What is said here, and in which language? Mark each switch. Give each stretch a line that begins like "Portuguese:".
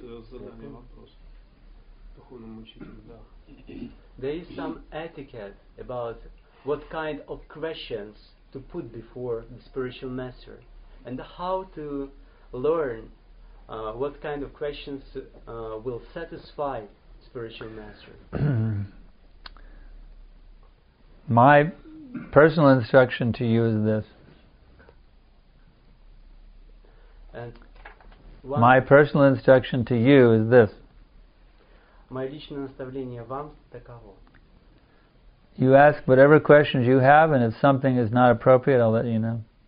Russian: задания вопроса духовному учителю, да.
English: There is some etiquette about what kind of questions to put before the spiritual master and how to learn what kind of questions will satisfy spiritual master? My personal instruction to you is this.
Russian: Мое личное наставление вам таково.
English: You ask whatever questions you have, and if something is not appropriate, I'll let you know.